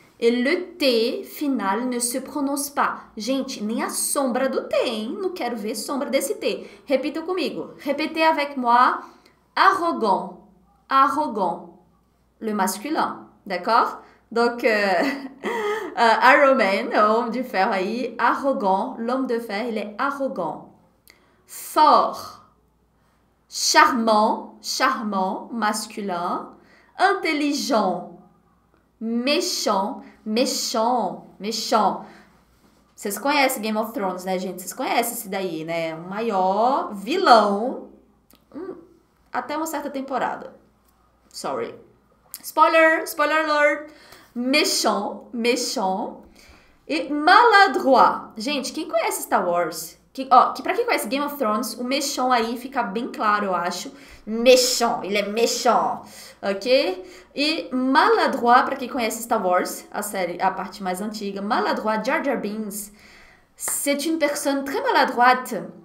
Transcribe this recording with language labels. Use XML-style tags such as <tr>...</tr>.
<fr>Et le T final ne se prononce pas.</fr> <pt>Gente, nem a sombra do T, hein? Não quero ver sombra desse T. Repita comigo.</pt> <fr>Répétez avec moi. Arrogant. Arrogant. Le masculin. D'accord? Donc, Iron Man, homme de fer aí. Arrogant. L'homme de fer, il est arrogant. Fort, charmant, charmant, masculin, intelligent, méchant, méchant, méchant.</fr> <pt>Vocês conhecem Game of Thrones, né, gente? Vocês conhecem esse daí, né? O maior vilão, até uma certa temporada.</pt> <en>Sorry. Spoiler, spoiler alert.</en> <fr>Méchant, méchant e maladroit.</fr> <pt>Gente, quem conhece Star Wars? Que pra quem conhece Game of Thrones, o mechon aí fica bem claro, eu acho. Mechon, ele é mechon, ok? E maladroit, pra quem conhece Star Wars, a série, a parte mais antiga, maladroit, Jar Jar Binks,</pt> <fr>c'est une personne très maladroite.</fr>